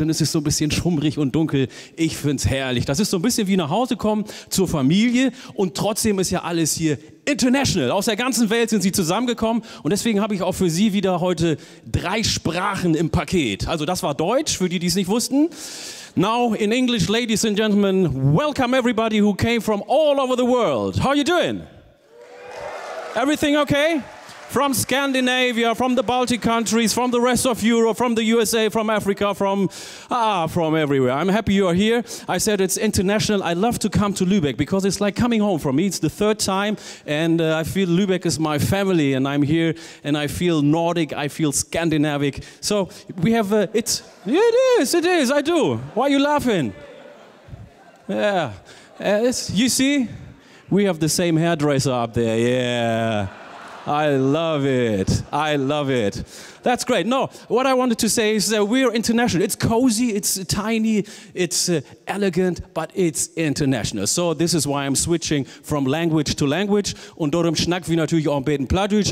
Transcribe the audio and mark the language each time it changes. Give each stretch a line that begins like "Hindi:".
German: Dann ist es so ein bisschen schummrig und dunkel. Ich finde es herrlich. Das ist so ein bisschen wie nach Hause kommen zur Familie. Und trotzdem ist ja alles hier international. Aus der ganzen Welt sind Sie zusammengekommen. Und deswegen habe ich auch für Sie wieder heute drei Sprachen im Paket. Also das war Deutsch, für die, die es nicht wussten.
English: Now in English, ladies and gentlemen, welcome everybody who came from all over the world. How are you doing? Everything okay? From Scandinavia, from the Baltic countries, from the rest of Europe, from the USA, from Africa, from everywhere. I'm happy you are here. I said it's international. I love to come to Lübeck because it's like coming home for me. It's the third time and I feel Lübeck is my family and I'm here and I feel Nordic, I feel Scandinavian. So we have, it is, I do. Why are you laughing? Yeah, you see, we have the same hairdresser up there, yeah. I love it. That's great. No, what I wanted to say is that we're international. It's cozy, it's tiny, it's elegant, but it's international. So this is why I'm switching from language to language.
German: Und darum schnacken wir natürlich auch ein bisschen Plattdeutsch.